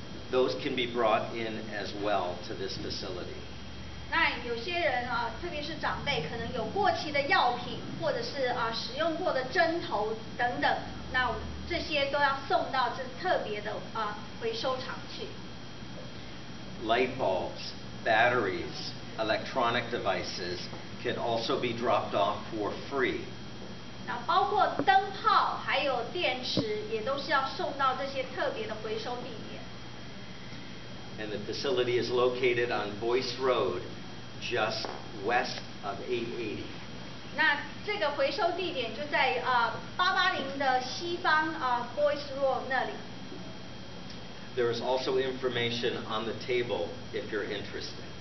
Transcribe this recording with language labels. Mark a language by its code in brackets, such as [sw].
[en] Those can be brought in as well to this facility. [zh] 那有些人特别是长辈，可能有过期的药品，或者是使用过的针头等等，那这些都要送到这特别的回收厂去。 [en] Light bulbs, batteries, electronic devices can also be dropped off for free. [zh] 那包括灯泡还有电池，也都是要送到这些特别的回收地点。 [en] And the facility is located on Boyce Road. Just west of 880. [zh] 那这个回收地点就在880的西方Boyce Road 那里。 [en] There is also information on the table if you're interested.